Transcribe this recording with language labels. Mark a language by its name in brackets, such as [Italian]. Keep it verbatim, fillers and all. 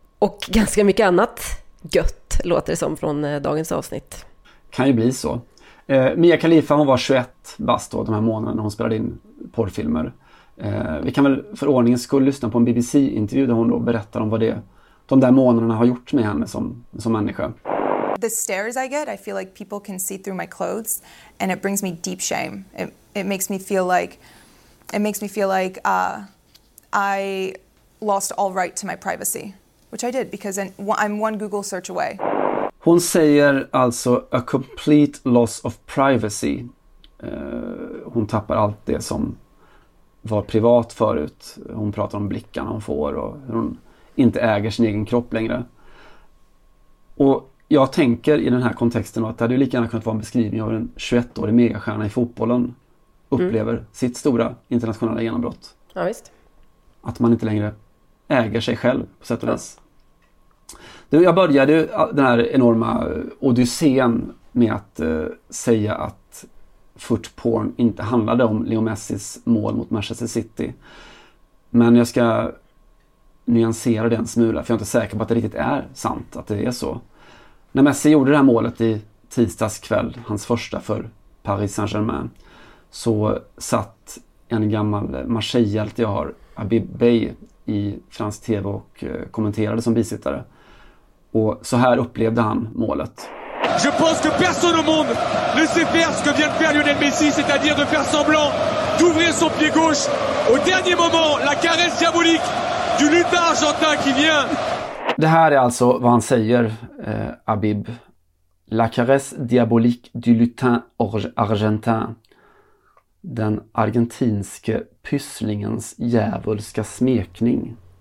[Swedish] Och ganska mycket annat gött låter det som från dagens avsnitt. Kan ju bli så. Eh, Mia Khalifa, hon var tjugoett bast då, de här månaderna hon spelade in porrfilmer. Eh, vi kan väl för ordningens skull lyssna på en B B C-intervju där hon då berättar om vad det, de där månaderna har gjort med henne som, som människa. [English] The stares I get, I feel like people can see through my clothes, and it brings me deep shame. It, it makes me feel like, it makes me feel like uh, I lost all right to my privacy, which I did because I'm one Google search away. [Swedish] Hon säger alltså [English] a complete loss of privacy. [Swedish] Eh, hon tappar allt det som var privat förut. Hon pratar om blickarna hon får och hur hon inte äger sin egen kropp längre. Och jag tänker i den här kontexten att det hade ju lika gärna kunnat vara en beskrivning av en tjugoettårig megastjärna i fotbollen upplever mm. sitt stora internationella genombrott. Ja, visst. Att man inte längre äger sig själv på sätt och vis. Mm. Jag började ju den här enorma odyssén med att eh, säga att footporn inte handlade om Leo Messis mål mot Manchester City. Men jag ska nyansera den smula, för jag är inte säker på att det riktigt är sant att det är så. När Messi gjorde det här målet i tisdags kväll, hans första för Paris Saint-Germain, så satt en gammal Marseille-hjälte jag har, Habib Beye, i fransk tv och kommenterade som bisittare. Och så här upplevde han målet. [French] Je pense que personne au monde ne sait faire ce que vient de faire Lionel Messi, c'est-à-dire de faire semblant d'ouvrir son pied gauche au dernier moment, la caresse diabolique du lutin argentin qui vient. [Swedish] Det här är alltså vad han säger, eh, Habib. [French] La caresse diabolique du lutin argentin. [Swedish] Den argentinske pysslingens djävulska smekning.